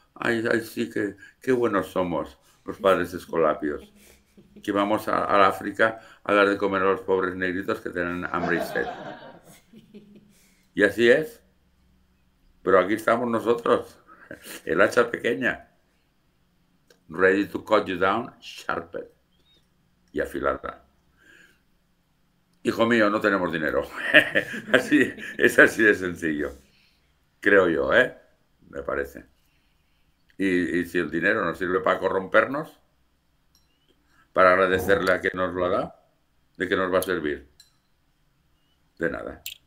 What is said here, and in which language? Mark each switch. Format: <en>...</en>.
<es>Ay, ay, sí, qué buenos somos los padres escolapios. Que vamos al África a dar de comer a los pobres negritos que tienen hambre y sed. Y así es. Pero aquí estamos nosotros, el hacha pequeña.</es> <en>Ready to cut you down, sharpen.</en> <es>Y afilarla. Hijo mío, no tenemos dinero. Así, es así de sencillo. Creo yo, ¿eh? Me parece. Y si el dinero nos sirve para corrompernos, para agradecerle a que nos lo ha dado, ¿de qué nos va a servir? De nada.</es>